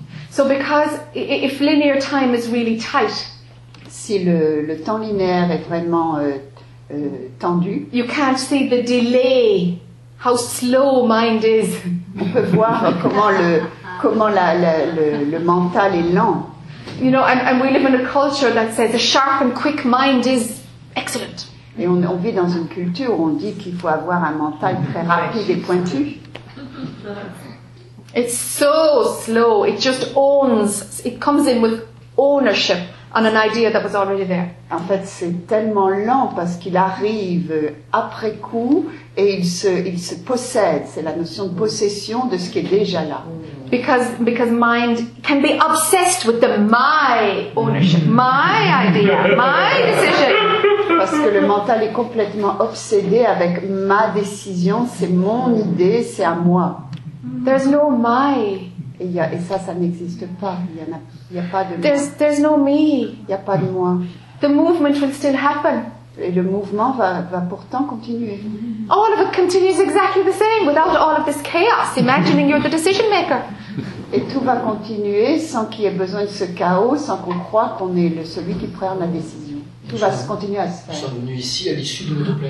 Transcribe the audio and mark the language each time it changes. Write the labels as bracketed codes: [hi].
[en] So because if linear time is really tight. [fr] Si le temps linéaire est vraiment tendu, [en] you can't see the delay, how slow mind is. [fr] On peut voir comment le mental est lent. [en] You know, and we live in a culture that says a sharp and quick mind is excellent. [fr] Et on vit dans une culture où on dit qu'il faut avoir un mental très rapide et pointu. [en] It's so slow. It just owns. It comes in with ownership. On an idea that was already there. [fr] En fait, c'est tellement lent parce qu'il arrive après coup et il se possède. C'est la notion de possession de ce qui est déjà là. [en] Because mind can be obsessed with the my ownership, my idea, my decision. [fr] Parce que le mental est complètement obsédé avec ma décision. C'est mon idée. C'est à moi. [en] There's no my. [fr] Et ça n'existe pas. Il y a pas de moi. [en] There's no me. [fr] Il y a pas de moi. [en] The movement will still happen. [fr] Et le mouvement va pourtant continuer. [en] All of it continues exactly the same without all of this chaos, imagining you're the decision maker. [fr] Et tout va continuer sans qu'il y ait besoin de ce chaos, sans qu'on croie qu'on est celui qui prend la décision. Tout va se continuer à se faire. Nous sommes venus ici à l'issue de notre plein